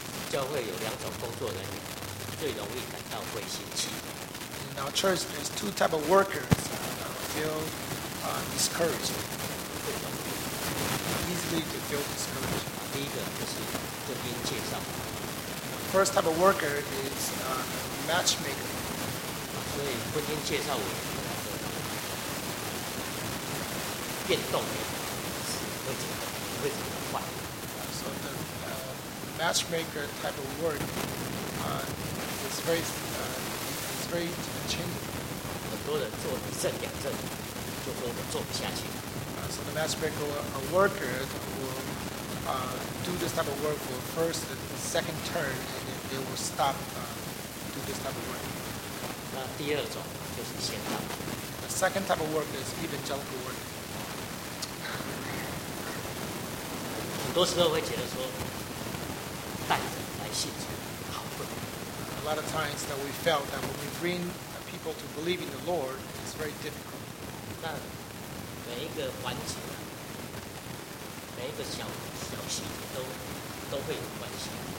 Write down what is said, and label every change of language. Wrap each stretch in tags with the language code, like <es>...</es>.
<zh>教会有两种工作人员，最容易感到灰心气馁。</zh> <en>In our church, there's two type of workers that feel discouraged.</en> <zh>最容易</zh> <en>easily to feel discouraged.</en> <zh>第一个就是婚姻介绍。</zh> <en>First type of worker is matchmaker.</en> <zh>所以婚姻介绍员变动也会怎么换？</zh> <en>So the matchmaker type of work is very changing.</en> <zh>很多人做一阵两阵，就说我做不下去。</zh> <en>So the matchmaker worker will do this type of work for first and second turn, and then they will stop do this type of work.</en> <zh>那第二种就是宣道。</zh> <en>The second type of work is evangelical work.</en> <zh>很多时候会觉得说带人来信主好困难。</zh> <en>A lot of times that we felt that when we bring people to believe in the Lord, it's very difficult.</en> <zh>那每一个环节，每一个小细节都会有关系。</zh>